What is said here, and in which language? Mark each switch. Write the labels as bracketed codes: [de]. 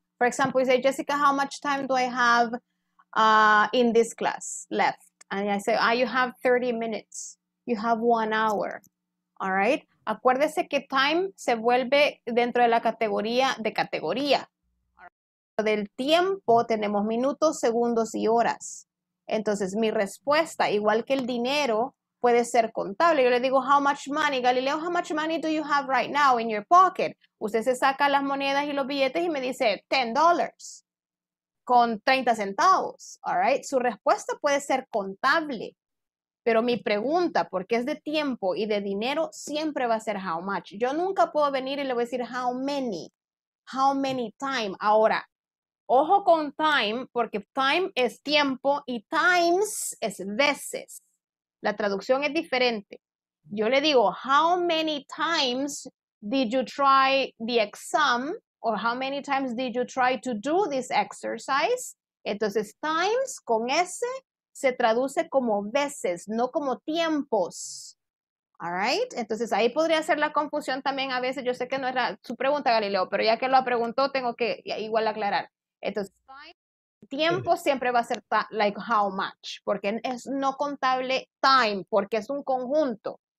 [en] For example, you say, Jessica, how much time do I have in this class left? And I say, you have 30 minutes. You have 1 hour. All right? [es] Acuérdese que time se vuelve dentro de la categoría de categoría. Del tiempo tenemos minutos, segundos y horas. Entonces, mi respuesta, igual que el dinero, puede ser contable. Yo le digo, [en] how much money, Galileo, how much money do you have right now in your pocket? [es] Usted se saca las monedas y los billetes y me dice, $10 con 30 centavos. [en] All right? [es] Su respuesta puede ser contable. Pero mi pregunta, porque es de tiempo y de dinero, siempre va a ser [en] how much. [es] Yo nunca puedo venir y le voy a decir [en] how many time. [es] Ahora, ojo con time, porque time es tiempo y times es veces. La traducción es diferente. Yo le digo, [en] how many times did you try the exam? Or how many times did you try to do this exercise? [es] Entonces, times con S se traduce como veces, no como tiempos. [en] All right? [es] Entonces, ahí podría ser la confusión también a veces. Yo sé que no era su pregunta, Galileo, pero ya que lo preguntó, tengo que igual aclarar. Entonces, tiempo siempre va a ser [en] like how much, [es] porque es no contable time, porque es un conjunto.